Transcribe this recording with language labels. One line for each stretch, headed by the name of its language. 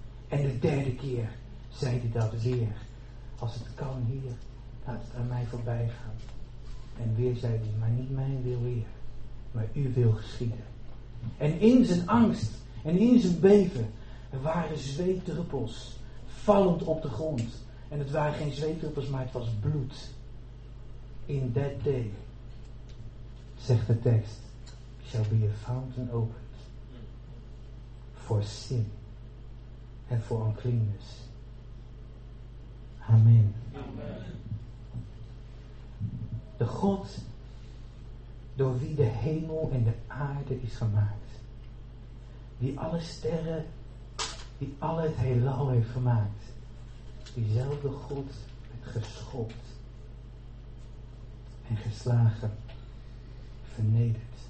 Dutch: En de derde keer zei hij dat weer. Als het kan, Heer, laat het aan mij voorbij gaan. En weer zei hij, maar niet mijn wil, Heer, maar uw wil geschieden. En in zijn angst en in zijn beven waren zweetdruppels vallend op de grond. En het waren geen zweetdruppels, maar het was bloed.
English: In that day,
Dutch: zegt de tekst,
English: shall be a fountain opened for sin and for uncleanness. Amen. Amen.
Dutch: God door wie de hemel en de aarde is gemaakt. Die alle sterren, die al het heelal heeft gemaakt. Diezelfde God werd geschopt en geslagen, vernederd.